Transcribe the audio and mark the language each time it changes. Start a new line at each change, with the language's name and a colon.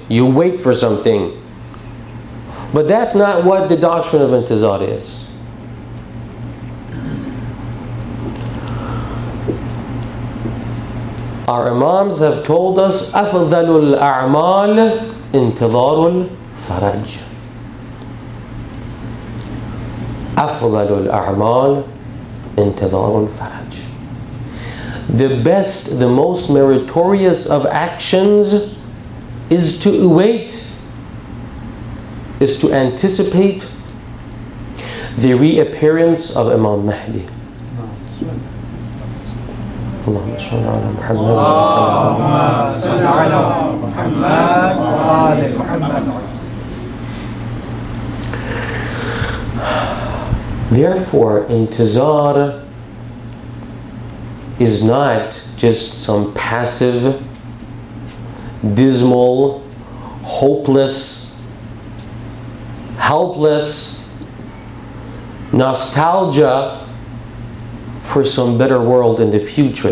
English: You wait for something. But that's not what the doctrine of intizar is. Our Imams have told us
Arabic: أفضل الأعمال انتظار الفرج. أفضل الأعمال انتظار الفرج.
English: The best, the most meritorious of actions is to await, is to anticipate the reappearance of Imam Mahdi.
Arabic: اللهم صل على محمد اللهم صل على محمد وآل محمد.
English: Therefore, intizar is not just some passive, dismal, hopeless, helpless nostalgia for some better world in the future.